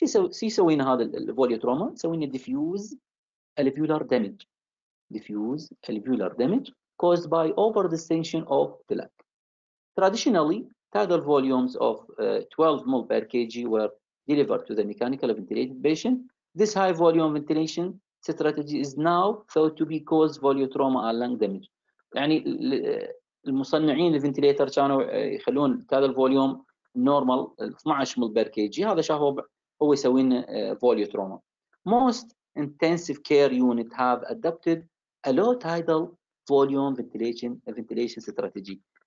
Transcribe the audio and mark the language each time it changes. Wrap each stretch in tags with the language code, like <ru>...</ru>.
<ar>سيسوينا هذا الفوليو تروما، سوينا</ar> <en>Diffuse الفيولار damage, diffuse الفيولار damage caused by over distension of black. Traditionally tidal volumes of 12 ml per K G were delivered to the mechanical ventilated patient. This high volume ventilation strategy is now thought to be caused volume trauma and lung damage.</en> <ar>يعني المصنعين الفنتيليتر كانوا يخلون هذا الفوليوم نورمال 12 مل بير كي جي، هذا شافوا هو يسوي لنا volume trauma.</ar> <en>Most intensive care unit have adopted a low tidal volume ventilation strategy.</en>